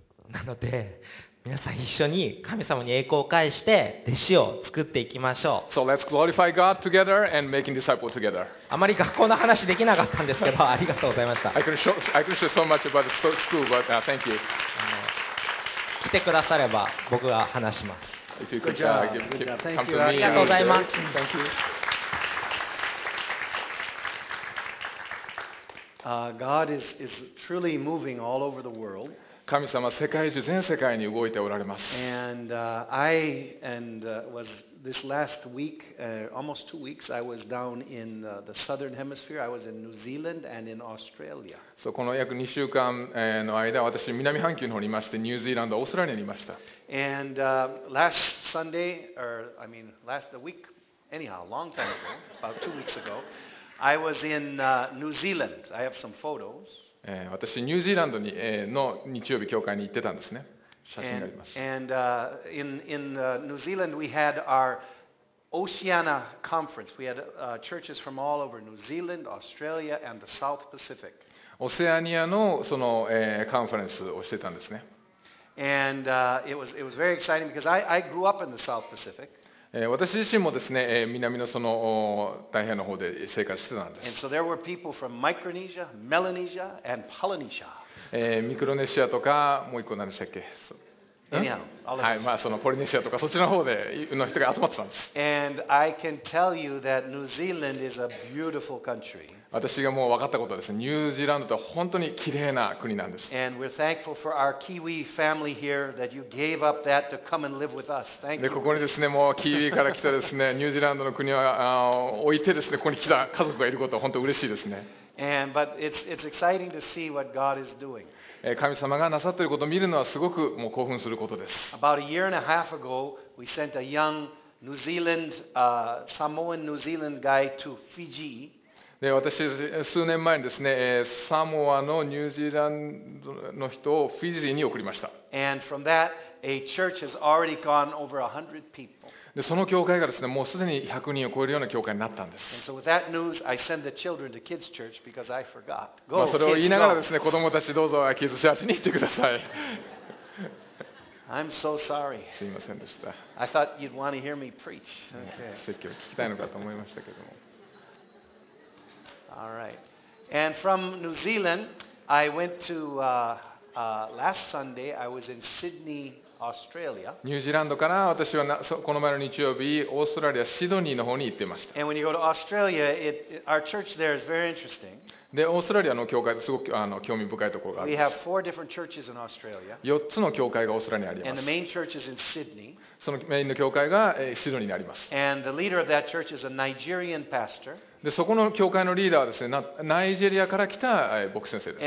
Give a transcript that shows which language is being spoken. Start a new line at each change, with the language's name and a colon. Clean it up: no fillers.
Japanese: なので皆さん一緒に神様に栄光を返して弟子を作っていきましょう。
English: So let's glorify God together and making disciples together.
Japanese: あまり学校の話できなかったんですけど、ありがとうございました。
English: I can show so much about the school, but thank you.
Japanese: 来てくだされば僕が話します。 could, give, ありがとうございます。
English: Thank you. God is truly moving all over the world.
Japanese: 神様世界中全世界に動いておられます。
English: And I and was this last week, almost two weeks, I was down in the southern hemisphere. I was in New Zealand and in Australia.
Japanese: そこの約2週間の間、私南半球の方にいまして、ニュージーランド、オーストラリアにいました。
English: And last Sunday, or I mean last the week, anyhow, long time ago, about two weeks ago, I was in New Zealand. I have some photos.
Japanese: 私ニュージーランドに、の日曜日教会に行ってたんですね。写真があります。
English: And in New Zealand, we had our Oceania conference. We had churches from all over New Zealand, Australia, and the South Pacific.
Japanese: オセアニアのそのカンファレンスをしてたんですね。
English: And it was very exciting because I grew up in the South Pacific.
Japanese: 私自身もですね、南のその太平洋の方で生活してたんです。
English: And so there were people from Micronesia, Melanesia, and Polynesia.
Japanese: ミクロネシアとかもう一個何でしたっけ？はい、まあそのポリネシアとかそっちの方での人が集まってたんです。
English: And I can tell you that New Zealand is a beautiful country.
Japanese: 私がもう分かったことです。ニュージーランドって本当に綺麗な国なんです。
English: And we're thankful for our Kiwi family here that you gave up that to come and live with us. Thank you.
Japanese: で、ここにですね、もうキーウィから来たですね、ニュージーランドの国を置いてですね、ここに来た家族がいることは本当に嬉しいですね。
English: And but it's exciting to see what God is doing.
Japanese: 神様がなさっていることを見るのはすごくもう興奮することです。
English: About a year and a half ago, we sent a young New Zealand, Samoan New Zealand guy to Fiji.
Japanese: で私数年前にですね、サモアのニュージーランドの人をフィジーに送りました。
English: And from that, a church has already gone over 100 people.
Japanese: でその教会がですね、もうすでに100人を超えるような教会になったんです。
English: And so with that news, I send the children to kids' church because I forgot.
Japanese: Go, まあそれを言いながらですね、子供たちどうぞキッズチャーチに行ってください。
English: I'm so sorry.
Japanese: すいませんでした。
English: I thought you'd want to hear me preach.
Japanese: 説教を聞きたいのかと思いましたけども。
English: All right. And from New Zealand, I went to last Sunday, I was in Sydney, Australia.
Japanese: ニュージーランドから私はこの前の日曜日、オーストラリア、シドニーの方に行ってました。
English: And when you go to Australia, our church there is very interesting.
Japanese: で、オーストラリアの教会ですごく興味深いところがあります。4つの教会がオーストラリアにあります。そのメインの教会がシドニーにあります。で、そこの教会のリーダーはですね、ナイジェリアから来た牧師先生です。